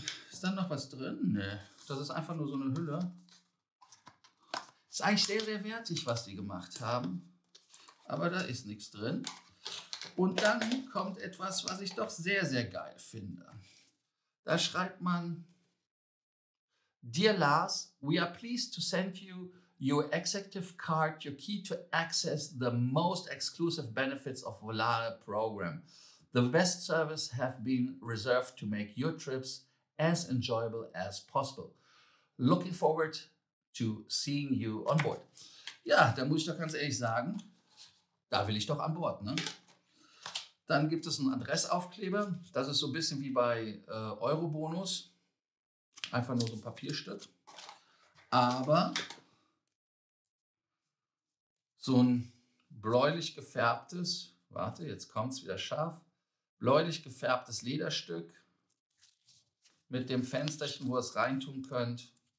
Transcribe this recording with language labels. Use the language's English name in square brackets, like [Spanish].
[German] Ist da noch was drin? Nee, das ist einfach nur so eine Hülle. Ist eigentlich sehr, sehr wertig, was die gemacht haben. Aber da ist nichts drin. Und dann kommt etwas, was ich doch sehr, sehr geil finde. Da schreibt man: [English] Dear Lars, we are pleased to send you your executive card, your key to access the most exclusive benefits of Volare program. The best service have been reserved to make your trips as enjoyable as possible. Looking forward to seeing you on board. [German] Ja, da muss ich doch ganz ehrlich sagen, da will ich doch an Bord, ne? Dann gibt es einen Adressaufkleber. Das ist so ein bisschen wie bei Eurobonus. Einfach nur so ein Papierstück. Aber so ein bläulich gefärbtes, warte, jetzt kommt es wieder scharf, bläulich gefärbtes Lederstück mit dem Fensterchen, wo ihr es reintun könnt.